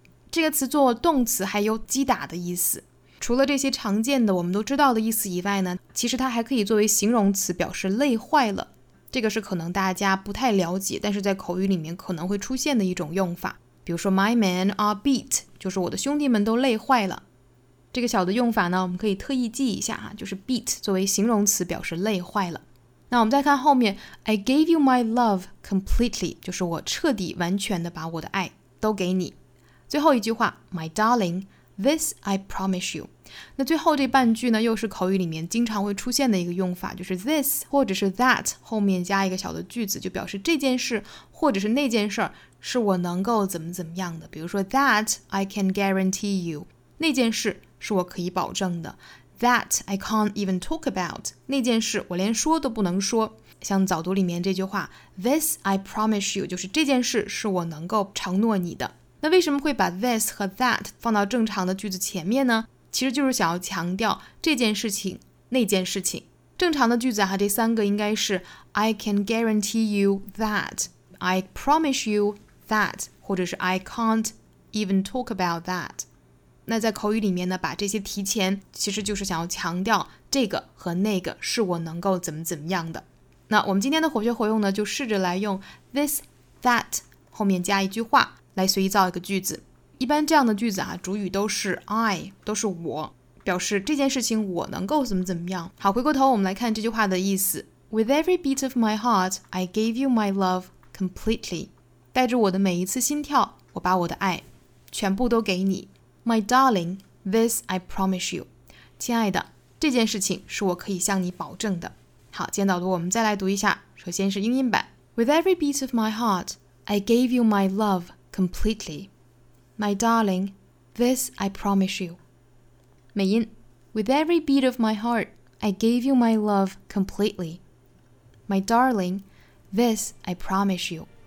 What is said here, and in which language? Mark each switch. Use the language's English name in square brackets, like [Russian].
[Chinese] 这个词做动词还有击打的意思。除了这些常见的我们都知道的意思以外呢，其实它还可以作为形容词表示累坏了，这个是可能大家不太了解但是在口语里面可能会出现的一种用法，比如说 [English] my men are beat， [Chinese] 就是我的兄弟们都累坏了。这个小的用法呢，我们可以特意记一下哈，就是 beat 作为形容词表示累坏了。那我们再看后面 [English] I gave you my love completely， [Chinese] 就是我彻底完全的把我的爱都给你。最后一句话 [English] My darling, this I promise you。 [Chinese] 那最后这半句呢，又是口语里面经常会出现的一个用法，就是 this 或者是 that 后面加一个小的句子，就表示这件事或者是那件事是我能够怎么怎么样的，比如说 [English] that I can guarantee you， [Chinese] 那件事是我可以保证的， [English] That I can't even talk about， [Chinese] 那件事我连说都不能说。像早读里面这句话 [English] This I promise you， [Chinese] 就是这件事是我能够承诺你的。那为什么会把 this 和 that 放到正常的句子前面呢？其实就是想要强调这件事情那件事情。正常的句子啊，这三个应该是 [English] I can guarantee you that， I promise you that， [Chinese] 或者是 [English] I can't even talk about that。 [Chinese] 那在口语里面呢，把这些提前其实就是想要强调这个和那个是我能够怎么怎么样的。那我们今天的活学活用呢，就试着来用 this that 后面加一句话来随意造一个句子。一般这样的句子啊，主语都是 I， 都是我，表示这件事情我能够怎么怎么样。好，回过头我们来看这句话的意思。 [English] With every beat of my heart I gave you my love completely， [Chinese] 带着我的每一次心跳我把我的爱全部都给你。 [English] My darling, this I promise you. [Chinese] 亲爱的，这件事情是我可以向你保证的。好，今天导读我们再来读一下，首先是英音版。 [English] With every beat of my heart, I gave you my love completely. My darling, this I promise you. [Chinese] 美音。 [English] With every beat of my heart, I gave you my love completely. My darling, this I promise you.